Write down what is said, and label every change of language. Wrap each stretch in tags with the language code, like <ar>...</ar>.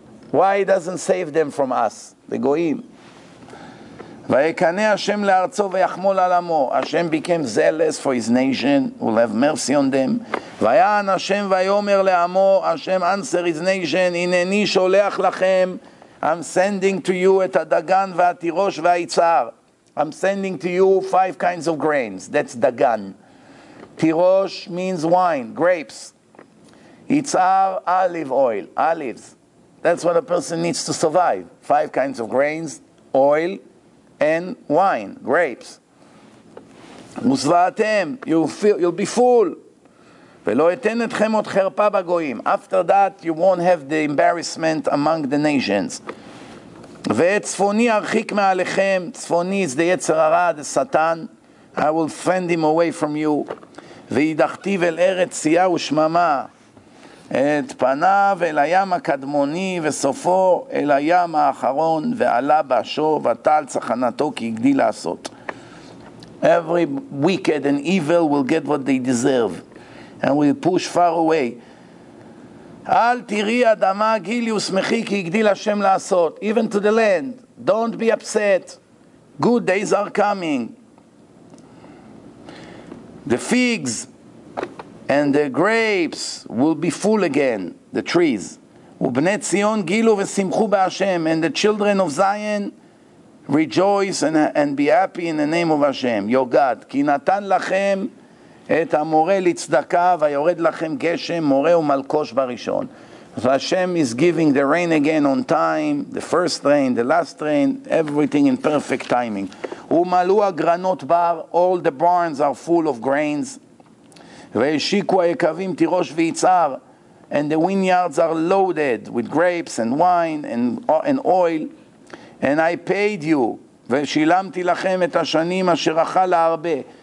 <en>Why he doesn't save them from us, the goyim?</en> <he>ויקנה השם לארצו ויחמול על עמו.</he> <en>השם became zealous for his nation, will have mercy on them.</en> <he>ויען השם ויאמר לעמו, השם</he> <en>answer his nation,</en> <he>הנני שולח לכם,</he> <en>I'm sending to you</en> <he>את הדגן והתירוש והיצהר.</he> <en>I'm sending to you five kinds of grains, that's דגן. תירוש means wine, grapes. יצהר, olive oil, olives. That's what a person needs to survive. Five kinds of grains, oil, and wine, grapes.</en> <he>מוסבעתם,</he> <en>you'll be full.</en> <he>ולא אתן אתכם עוד חרפה בגויים.</he> <en>After that, you won't have the embarrassment among the nations.</en> <he>וצפוני ארחיק מעליכם, צפוני</he> <en>is the</en> <he>יצר הרע,</he> <en>the Satan. I will fend him away from you.</en> <he>וידחתיו אל ארץ צייה ושממה. את פניו אל הים הקדמוני וסופו אל הים האחרון ועלה באשו וטל צחנתו כי הגדיל לעשות.</he> <en>Every wicked and evil will get what they deserve and will push far away. אל תראי אדמה גילי ושמחי כי הגדיל השם לעשות. Even to the land, don't be upset. Good days are coming. The figs and the grapes will be full again, the trees.</en> <he>ובני ציון גילו ושמחו בהשם,</he> <en>and the children of Zion rejoice and be happy in the name of Hashem, your God.</en> <he>כי נתן לכם את המורה לצדקה, ויורד לכם גשם, מורה ומלקוש בראשון.</he> <en>So Hashem is giving the rain again on time, the first rain, the last rain, everything in perfect timing.</en> <he>ומלאו הגרנות בר,</he> <en>all the barns are full of grains,</en> <he>והשיקו היקבים תירוש ויצהר,</he> <en>and the vineyards are loaded with grapes and wine and oil, and I paid you,</en> <he>ושילמתי לכם את השנים אשר אכל הרבה.</he>